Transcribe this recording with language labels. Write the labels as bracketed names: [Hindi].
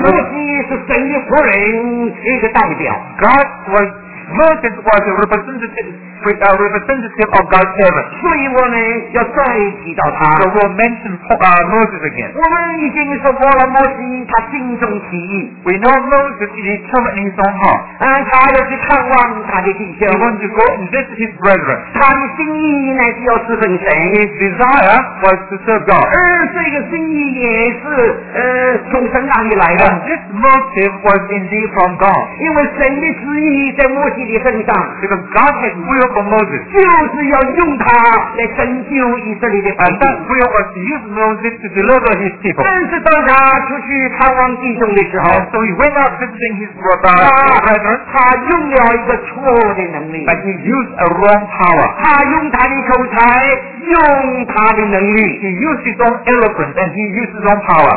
[Chinese] 摩西是神的仆人一个代表, [English] God was, Moses was a representative of God's servant. [Chinese] 所以我们要再提到他, [English] so we'll mention Moses again. [Chinese] 我们已经说过了摩西他心中起意, [English] we know Moses is determined in his own heart, [Chinese] 他要去看望他的弟兄, [English] he wants to go and visit his brethren, [Chinese] 他的心意乃是要侍奉神, [English] his desire was to serve God, [Chinese] 这个心意也是从神那里来的, [English] and this motive was indeed from God, [Chinese] 因为神的旨意在摩西的身上, [English] because God had will for Moses, [Chinese] 就是要用他来拯救以色列的百姓, [English] and that will was to use Moses to deliver his people. [Chinese] 但是当他出去探望弟兄的时候, [English] so he went out visiting his brother, [Chinese] 他用了一个错的能力, [English] but he used a wrong power. [Chinese] 他用他的口才, 用他的能力, [English] he used his own eloquence and he used his own power.